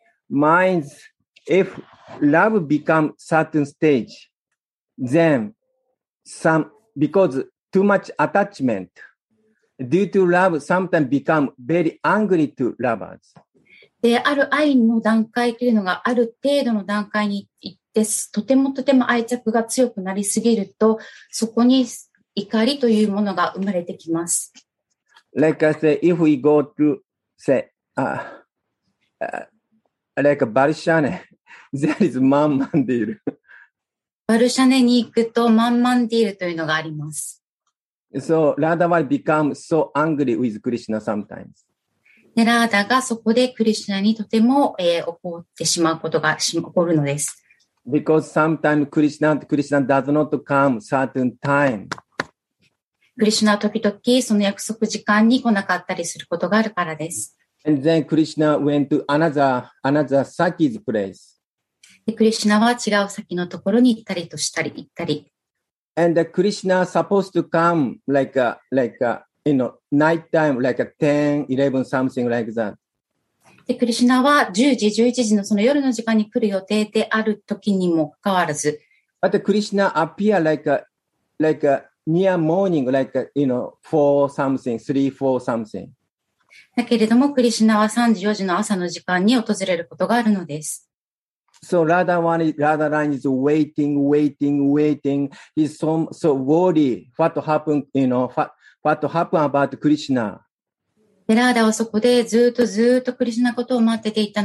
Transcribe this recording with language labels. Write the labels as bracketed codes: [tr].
[en] Minds, if love become certain stage, then,because too much attachment due to love sometimes become very angry to lovers. [ja] である愛の段階というのがある程度の段階に行って、とてもとても愛着が強くなりすぎると、そこに怒りというものが生まれてきます。 [en] Like I say, if we go to say, like Barshane, there is man mandir. [ja] バルシャネに行くとマンマンディールというのがあります。 [en] So, Radha will become so angry with Krishna sometimes. [ja] で、ラーダがそこでクリシュナにとても、怒ってしまうことが起こるのです。 [en] Because sometimes Krishna does not come certain time. [ja] クリシュナは時々その約束時間に来なかったりすることがあるからです。 [en] And then Krishna went to another Saki's place. [ja] でクリシュナは違う先のところに行ったりとしたり行ったり。 [en] And Krishna is supposed to come like a night time, like a 10, 11, something like that. [ja] でクリシュナは10時、11時のその夜の時間に来る予定である時にもかかわらず。 [en] But Krishna appear like a near morning, like, you know, 4 something, 3, 4 something. [ja] だけれども、クリシュナは3時、4時の朝の時間に訪れることがあるのです。 [en] So Radharani is waiting. He's so worried what happened about Krishna. [ja] Radha はそこでずっとクリシュナことを待ってていた。